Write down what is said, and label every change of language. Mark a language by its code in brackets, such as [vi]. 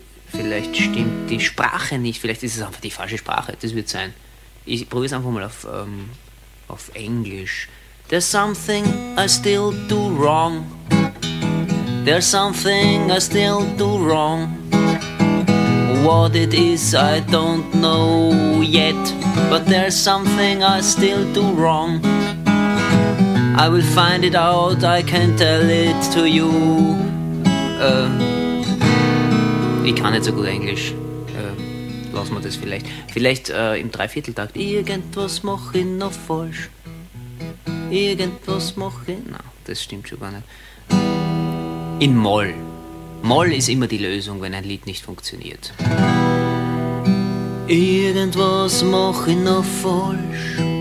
[de] Vielleicht stimmt die Sprache nicht. Vielleicht ist es einfach die falsche Sprache. Das wird sein. Ich probier's einfach mal auf Englisch. [en] There's something I still do wrong. There's something I still do wrong. What it is, I don't know yet. But there's something I still do wrong. I will find it out, I can tell it to you. [de] Ich kann nicht so gut Englisch. Lassen wir das vielleicht. Vielleicht im Dreivierteltakt. Irgendwas mach ich noch falsch. Irgendwas mach ich. Nein, das stimmt schon gar nicht. In Moll. Moll ist immer die Lösung, wenn ein Lied nicht funktioniert. Irgendwas mach ich noch falsch.